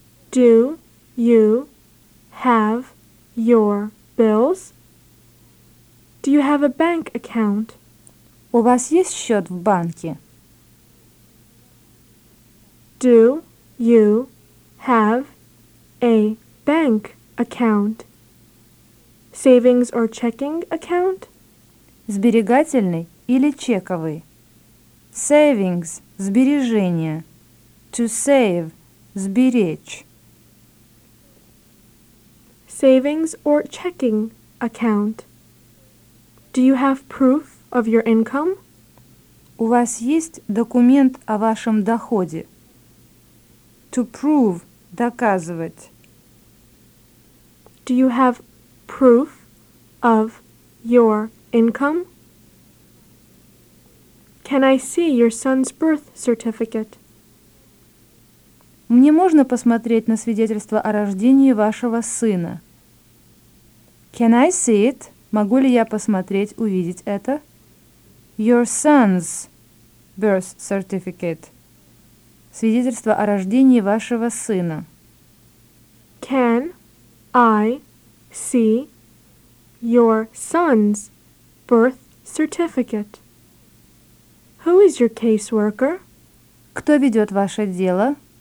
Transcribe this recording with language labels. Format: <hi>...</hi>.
<en>Do you have your bills? Do you have a bank account?</en> <ru>У вас есть счет в банке?</ru> <en>Do you have a bank account? Savings or checking account?</en> <ru>Сберегательный или чековый?</ru> <en>Savings – сбережение. To save – сберечь. Savings or checking account? Do you have proof of your income?</en> <ru>У вас есть документ о вашем доходе?</ru> <en>To prove – доказывать. Do you have proof of your income? Can I see your son's birth certificate?</en> <ru>Мне можно посмотреть на свидетельство о рождении вашего сына?</ru> <en>Can I see it?</en> <ru>Могу ли я посмотреть, увидеть это?</ru> <en>Your son's birth certificate.</en> <ru>Свидетельство о рождении вашего сына.</ru> <en>Can I see your son's birth certificate? Who is your caseworker?</en> <ru>Кто ведет ваше дело?</ru>